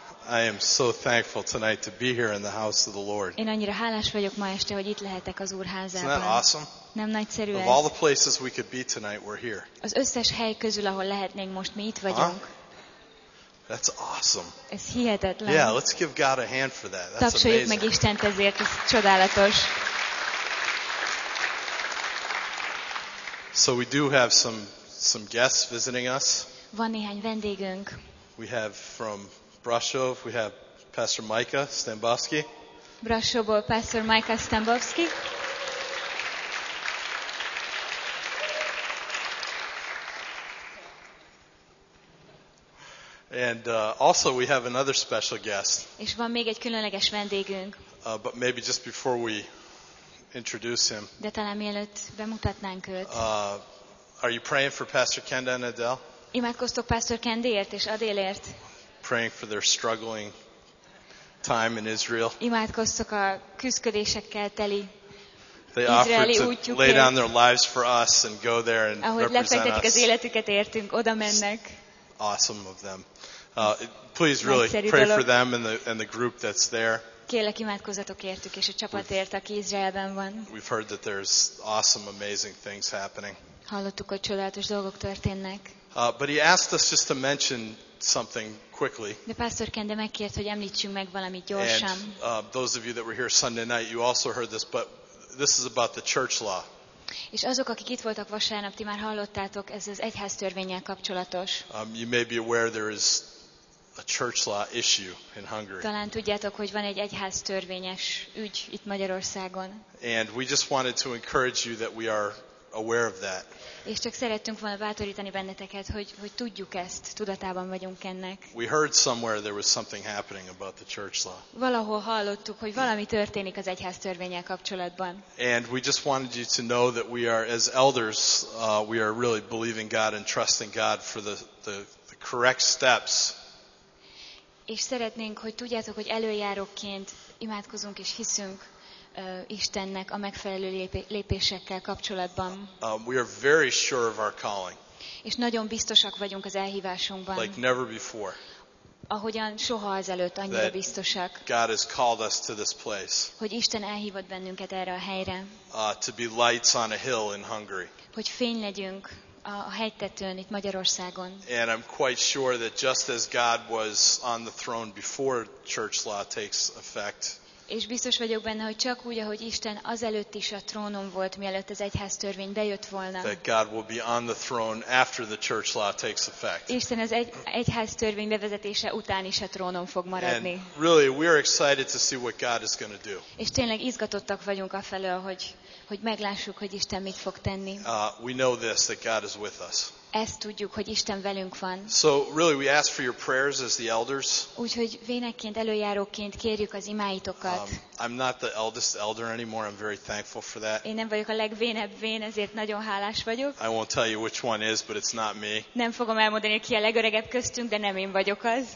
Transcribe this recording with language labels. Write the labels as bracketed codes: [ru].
[en] I am so thankful tonight to be here in the house of the Lord. [hu] Én annyira hálás vagyok ma este, hogy itt lehetek az Úr házában. [en] Isn't that awesome? [hu] Nem nagyszerű ez? [en] Of all the places we could be tonight, we're here. [hu] Az összes hely közül, ahol lehetnénk most, mi itt vagyunk. [en] That's awesome. [hu] Ez hihetetlen. [en] Yeah, let's give God a hand for that. That's amazing. [hu] Tapsoljuk meg Istent ezért, ez csodálatos. [en] So we do have some guests visiting us. [hu] Van néhány vendégünk. [en] We have from Brasov, we have Pastor Micah Stambowski. [hu] Brasovból Pastor Micah Stambowski. [en] And also we have another special guest. [hu] És van még egy különleges vendégünk. [en] But maybe just before we introduce him. [hu] De talán mielőtt bemutatnánk őt. [en] Are you praying for Pastor Kenda and Adele? [hu] Imádkoztok Pastor Kendiért és Adélért? [en] Praying for their struggling time in Israel. [hu] Imádkoztok a küzdködésekkel teli [en] They offered to lay down their lives for us and go there and [hu] ahogy [en] represent us. [hu] Ahogy lefektetik az életüket, értünk, oda mennek. [en] Awesome of them. Please really pray for them and the group that's there. [hu] Kérlek, imádkozzatok értük és a csapatért, aki Izraelben van. [en] We've heard that there's awesome, amazing things happening. [hu] Hallottuk, hogy csodálatos dolgok történnek. [en] But he asked us just to mention something quickly. [hu] De Pásztor Kende megkért, hogy említsünk meg valamit gyorsan. [en] And those of you that were here Sunday night, you also heard this, but this is about the church law. [hu] És azok, akik itt voltak vasárnap, ti már hallottátok, ez az egyház törvénnyel kapcsolatos. [en] You may be aware there is a church law issue in Hungary. [hu] Talán tudjátok, hogy van egy egyház törvényes ügy itt Magyarországon. [en] And we just wanted to encourage you that we are aware of that. [hu] És csak szerettünk volna bátorítani benneteket, hogy tudjuk ezt, tudatában vagyunk ennek. [en] We heard somewhere there was something happening about the church law. [hu] Valahol hallottuk, hogy valami történik az egyház törvénnyel kapcsolatban. [en] And we just wanted you to know that we are, as elders, we are really believing God and trusting God for the correct steps. [hu] És szeretnénk, hogy tudjátok, hogy előjárokként imádkozunk és hiszünk Istennek a megfelelő lépésekkel kapcsolatban. [en] We are very sure of our calling. [hu] És nagyon biztosak vagyunk az elhívásunkban. [en] Like never before. [hu] Ahogyan soha azelőtt annyira biztosak. [en] God has called us to this place. [hu] Hogy Isten elhívott bennünket erre a helyre. [en] To be lights on a hill in Hungary. [hu] Hogy fény legyünk a hegytetőn itt Magyarországon. [en] And I'm quite sure that just as God was on the throne before church law takes effect. [hu] És biztos vagyok benne, hogy csak úgy, ahogy Isten azelőtt is a trónon volt, mielőtt az egyház törvény bejött volna. [en] That God will be on the throne after the church law takes effect. [hu] Isten az egyház törvény bevezetése után is a trónon fog maradni. [en] And really, we are excited to see what God is going to do. [hu] És tényleg izgatottak vagyunk afelől, hogy meglássuk, hogy Isten mit fog tenni. [en] We know this, that God is with us. [hu] Ezt tudjuk, hogy Isten velünk van. [en] So really we ask for your prayers as the elders. [hu] Úgyhogy vénekként, előjáróként kérjük az imáitokat. [en] I'm not the eldest elder anymore. I'm very thankful for that. [hu] Én nem vagyok a legvénebb vén, ezért nagyon hálás vagyok. [en] I won't tell you which one is, but it's not me. [hu] Nem fogom elmondani, ki a legöregebb köztünk, de nem én vagyok az.